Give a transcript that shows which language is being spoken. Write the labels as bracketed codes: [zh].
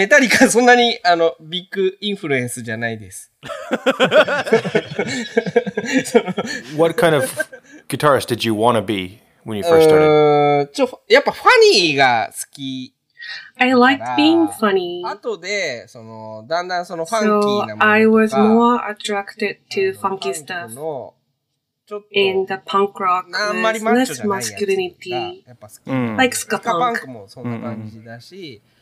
[ja] でも、あんまりなんかメタリカそんなにビッグインフルエンスじゃないです。 [en] What kind of guitarist did you want to be when you first started? [ja] やっぱファニーが好き. [en] I liked being funny. [ja] あとで、だんだんそのファンキーなものとか。 [en] I was more attracted to funky stuff. In the punk rock, with less masculinity. Like ska punk.